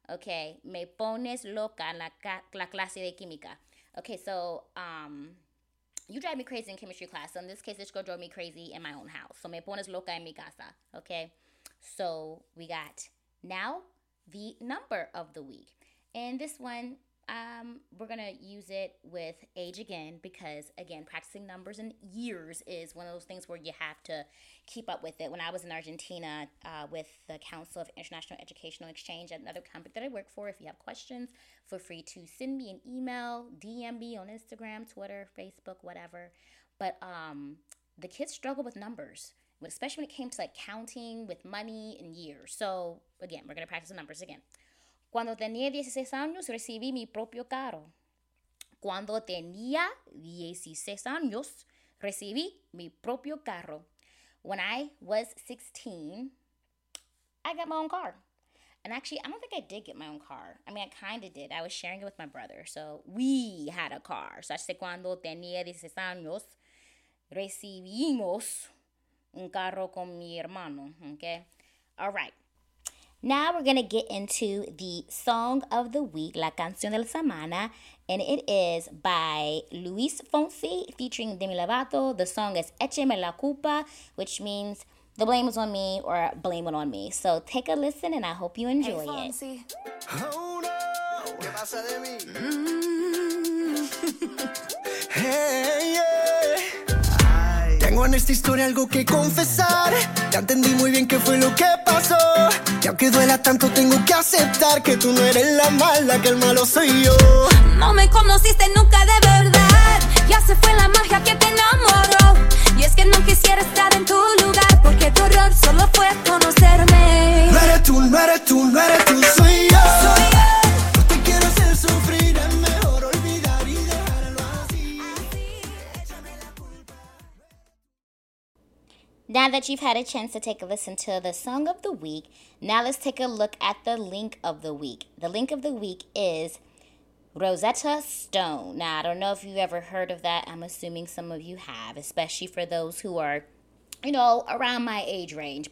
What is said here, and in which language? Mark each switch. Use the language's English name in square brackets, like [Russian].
[Spanish] Okay, me pones loca en la clase de química. Okay, so [English] you drive me crazy in chemistry class. So in this case, this girl drove me crazy in my own house. So [Spanish] me pones loca en mi casa, [English] okay? So we got now the number of the week. And this one, we're going to use it with age again because, again, practicing numbers and years is one of those things where you have to keep up with it. When I was in Argentina with the Council of International Educational Exchange at another company that I work for, if you have questions, feel free to send me an email, DM me on Instagram, Twitter, Facebook, whatever. But the kids struggle with numbers, especially when it came to like counting with money and years. So, again, we're going to practice the numbers again. [Spanish] Cuando tenía 16 años, recibí mi propio carro. Cuando tenía 16 años, recibí mi propio carro. [English] When I was 16, I got my own car. And actually, I don't think I did get my own car. I mean, I kind of did. I was sharing it with my brother. So we had a car. So I said, [Spanish] cuando tenía 16 años, recibimos un carro con mi hermano. [English] Okay? All right. Now we're going to get into the song of the week, La Canción de la Semana, and it is by Luis Fonsi featuring Demi Lovato. The song is Écheme la Culpa, which means the blame is on me or blame it on me. So take a listen and I hope you enjoy it. Hey, Fonsi. Oh, no. [Spanish] ¿Qué pasa de mí? Hey, yeah. Tengo en esta historia algo que confesar. Ya entendí muy bien qué fue lo que pasó. Y aunque duela tanto, tengo que aceptar que tú no eres la mala, que el malo soy yo. No me conociste nunca de verdad. Ya se fue la magia que te enamoró. Y es que no quisiera estar en tu lugar, porque tu error solo fue conocerme. No eres tú, no eres tú, no eres tú, soy yo. Soy yo. No te quiero hacer sufrir, es mejor olvidar y dejarlo así. [English] Now that you've had a chance to take a listen to the song of the week, now let's take a look at the link of the week. The link of the week is Rosetta Stone. Now, I don't know if you've ever heard of that. I'm assuming some of you have, especially for those who are, you know, around my age range.